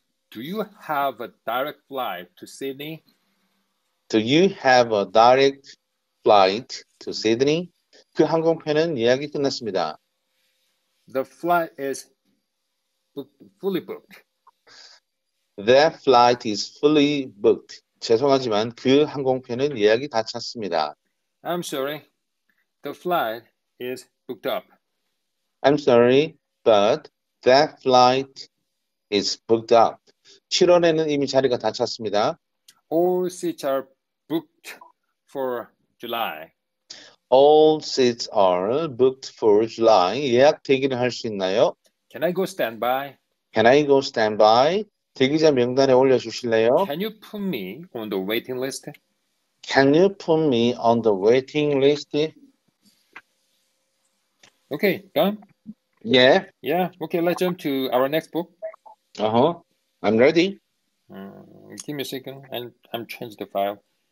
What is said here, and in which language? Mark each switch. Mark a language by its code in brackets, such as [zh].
[en] Do you have a direct flight to Sydney? Do you have a direct flight to Sydney? [ko] 그 항공편은 예약이 끝났습니다. [en] The flight is fully booked. That flight is fully booked. [ko] 죄송하지만 그 항공편은 예약이 다 찼습니다. [en] I'm sorry. The flight is booked up. I'm sorry, but that flight is booked up. [ko] 7월에는 이미 자리가 다 찼습니다. [en] All seats are booked for July. All seats are booked for July. [ko] 예약 대기를 할 수 있나요? [en] Can I go standby? Can I go standby? [ko] 대기자 명단에 올려주실래요? [en] Can you put me on the waiting list? Can you put me on the waiting list? Okay, done? Yeah. Yeah, okay, let's jump to our next book. Uh-huh, I'm ready. Give me a second, I'm changing the file.